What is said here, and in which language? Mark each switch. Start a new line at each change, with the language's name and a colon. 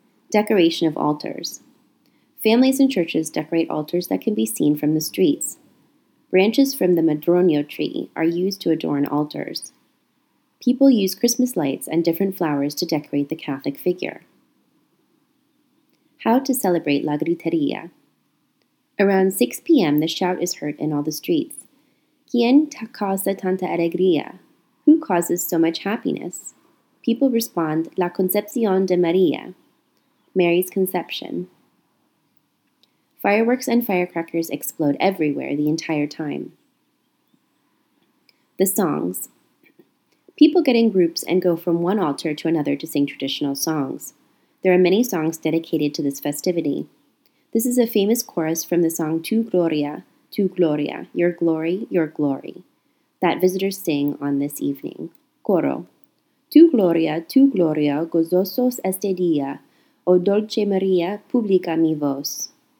English: Decoration of altars. Families and churches decorate altars that can be seen from the streets. Branches from the madroño tree are used to adorn altars. People use Christmas lights and different flowers to decorate the Catholic figure. How to celebrate La Gritería. Around 6 p.m., the shout is heard in all the streets.
Spanish: ¿Quién causa tanta alegría?
English: Who causes so much happiness? People respond, La Concepción de María, Mary's Conception. Fireworks and firecrackers explode everywhere the entire time. The songs. People get in groups and go from one altar to another to sing traditional songs. There are many songs dedicated to this festivity. This is a famous chorus from the song Tu Gloria, Your Glory, that visitors sing on this evening.
Spanish: Coro. Tu Gloria, gozosos este día, O Dulce María, publica mi voz.